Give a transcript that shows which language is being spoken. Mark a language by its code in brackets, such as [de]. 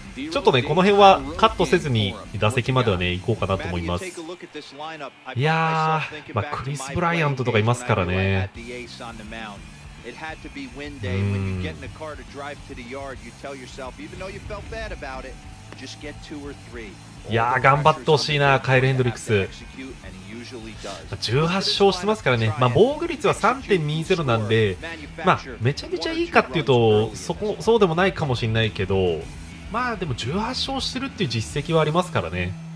[ja] ちょっとねこの辺はカットせずに打席までは、ね、行こうかなと思います。いやー、まあ、クリス・ブライアントとかいますからね。 [en] It had to be win day when you get in a car to drive to the yard. You tell yourself, even though you felt bad about it, just get two or three. [ja] いやー頑張ってほしいなカイル・ヘンドリックス。18勝してますからね。まあ防御率は 3.20 なんで、まあめちゃめちゃいいかっていうとそうでもないかもしれないけど、まあでも18勝してるっていう実績はありますからね。